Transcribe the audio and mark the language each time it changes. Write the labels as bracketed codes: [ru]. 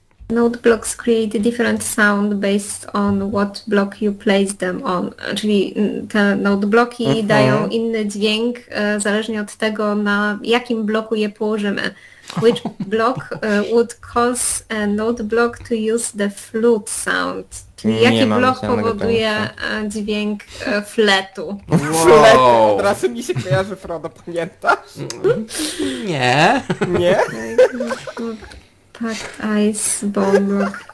[en] Node blocks create a different sound based on what block you place them on. [pl] Czyli te node bloki dają inny dźwięk zależnie od tego, na jakim bloku je położymy. [en] Which block would cause a node block to use the flute sound? [pl] Czyli jaki blok powoduje dźwięk fletu? Wow. Flet! Teraz mi się kojarzy, Frodo, pamiętasz? Nie. Nie? [en] Pack ice bomb.